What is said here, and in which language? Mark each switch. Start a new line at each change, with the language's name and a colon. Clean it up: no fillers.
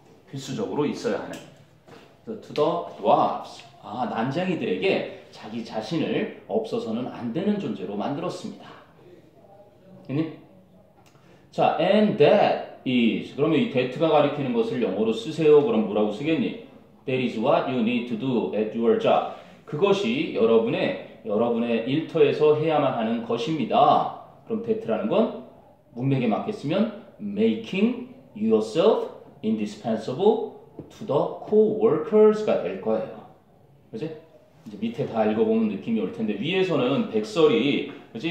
Korean: 필수적으로 있어야 하는.
English: So, to the dwarfs.
Korean: 아, 난쟁이들에게 자기 자신을 없어서는 안 되는 존재로 만들었습니다. 됐니? 자,
English: and that is.
Korean: 그러면 이 that가 가리키는 것을 영어로 쓰세요. 그럼 뭐라고 쓰겠니?
English: That is what you need to do at your job.
Korean: 그것이 여러분의 일터에서 해야만 하는 것입니다. 그럼 that라는 건 문맥에 맞게 쓰면
English: making yourself indispensable to the co-workers
Korean: 가 될 거예요. 그지? 이제 밑에 다 읽어보면 느낌이 올 텐데 위에서는 백설이 그지?